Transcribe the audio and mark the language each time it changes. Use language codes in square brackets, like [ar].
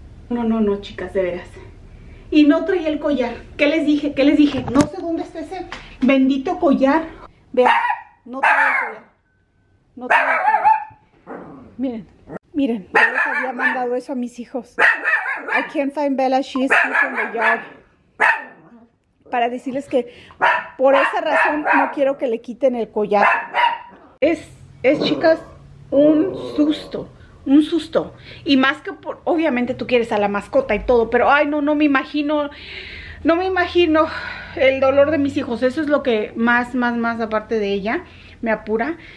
[es] No, no, no, chicas, de veras. Y no traía el collar. ¿Qué les dije? ¿Qué les dije? No sé dónde está ese bendito collar. Vean, no traía el collar. No traía el collar. Miren, miren, yo les había mandado eso a mis hijos. [en] I can't find Bella, she is in the yard. [es] Para decirles que por esa razón no quiero que le quiten el collar. Es, chicas, un susto. Un susto. Y más que por... Obviamente tú quieres a la mascota y todo, pero ay, no, no me imagino. No me imagino el dolor de mis hijos. Eso es lo que más, aparte de ella, me apura.